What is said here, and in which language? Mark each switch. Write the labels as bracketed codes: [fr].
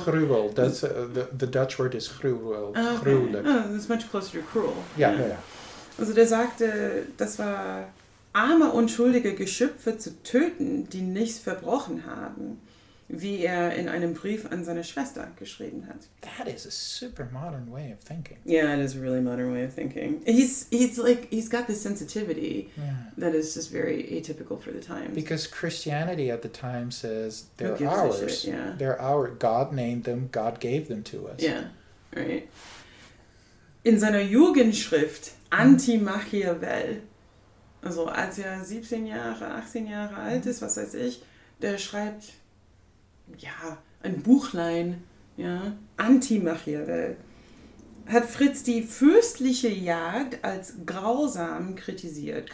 [en] Gruel, the Dutch word is gruel. Okay. Oh, it's much closer to cruel. [de] Ja, ja, ja. Also der sagte, das war arme, unschuldige Geschöpfe zu töten, die nichts verbrochen haben, wie er in einem Brief an seine Schwester geschrieben hat. [en] That is a super modern way of thinking. Yeah, it is a really modern way of thinking. He's got this sensitivity that is just very atypical for the times. Because Christianity at the time says they're ours. Who gives a shit, yeah. They're our, God named them, God gave them to us. Yeah, right. [de] In seiner Jugendschrift Anti-Machiavell, also als er 17 Jahre, 18 Jahre alt ist, was weiß ich, der schreibt... Ja, ein Buchlein, ja, Anti-Machiavell, hat Fritz die fürstliche Jagd als grausam kritisiert.